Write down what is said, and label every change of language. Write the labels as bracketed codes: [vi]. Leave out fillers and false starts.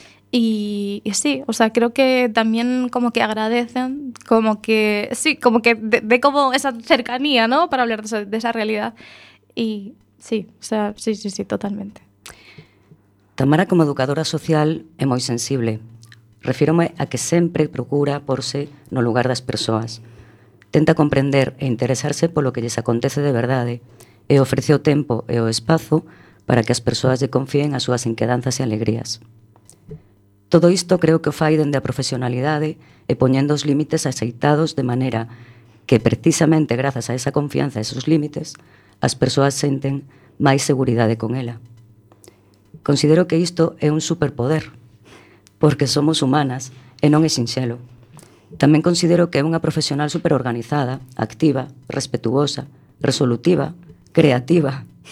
[es] Y sí, o sea, creo que también como que agradecen, como que sí, como que de como esa cercanía, ¿no? Para hablar de esa realidad. Y sí, o sea, sí, totalmente. Tamara, como educadora social, es muy sensible. [gl] Refiérome a que siempre procura por ser no lugar das persoas. Tenta comprender e interesarse por lo que lles acontece de verdade e ofrece o tempo e o espazo para que as persoas lle confíen as súas inquedanzas e alegrías. Todo isto creo que o fai dende a profesionalidade e poñendo os límites aceitados de maneira que precisamente grazas a esa confianza e esos límites as persoas senten máis seguridade con ela. Considero que isto é un superpoder porque somos humanas e non é sinxelo. Tamén considero que é unha profesional superorganizada, activa, respetuosa, resolutiva, creativa.